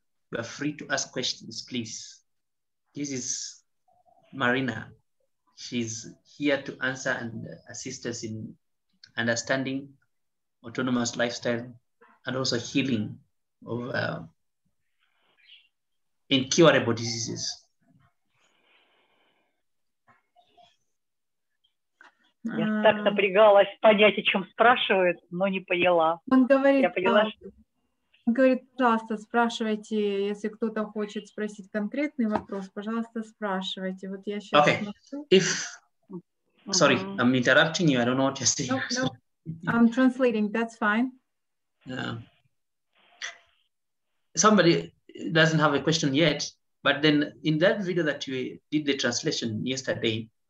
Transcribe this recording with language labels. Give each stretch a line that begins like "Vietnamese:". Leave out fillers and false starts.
English: You are free to ask questions, please. This is Marina. She's here to answer and assist us in understanding autonomous lifestyle and also healing of incurable diseases.
Russian: Я так напрягалась понять, о чем спрашивают, но не поняла. Он говорит, пожалуйста, спрашивайте, если кто-то хочет спросить конкретный вопрос, пожалуйста, спрашивайте. Вот я сейчас.
English: Okay. If, sorry, I'm interrupting you. I don't know what you're saying. No, no. I'm translating. That's fine. Yeah. Somebody doesn't have a question yet, but then in that video that you did the translation yesterday.